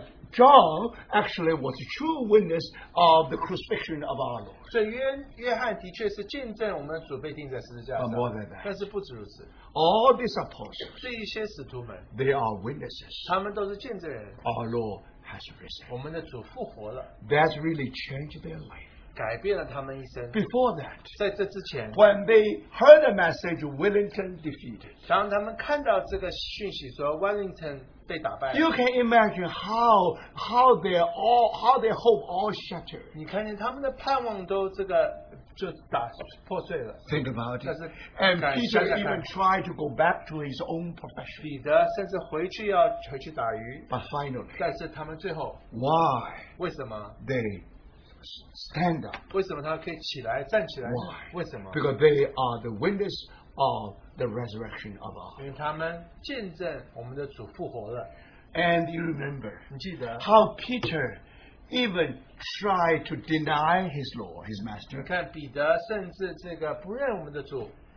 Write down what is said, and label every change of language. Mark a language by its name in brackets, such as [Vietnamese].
[English] John actually was a true witness of the crucifixion of our Lord. [Chinese] 所以约翰的确是见证我们主被钉在十字架上。 [English] But more than that, [Chinese] 但是不止如此, [English] all these apostles, [Chinese] 这一些使徒们, [English] they are witnesses. [Chinese] 他们都是见证人, [English] our Lord has risen. [Chinese] 我们的主复活了。 [English] That really changed their life. [Chinese] 改变了他们一生, [English] before that, [Chinese] 在这之前, [English] when they heard the message, Wellington defeated, [Chinese] 当他们看到这个讯息说, Wellington 被打败了, [English] you can imagine how their hope all shattered. [Chinese] 你看见他们的盼望都这个就打破碎了, [English] think about it. And Peter even tried to go back to his own profession. [Chinese] 彼得甚至回去要回去打鱼, [English] but finally, [Chinese] 但是他们最后, [English] why? [Chinese] 为什么? [English] They stand up. [Chinese] 为什么他可以起来, 站起来, [English] why? [Chinese] 为什么? [English] Because they are the witness of the resurrection of our Lord. [Chinese] 因为他们见证我们的主复活了。 [English] And you remember, [Chinese] 你记得, [English] how Peter even tried to deny his Lord, his master. [Chinese] 你看彼得甚至这个不认我们的主,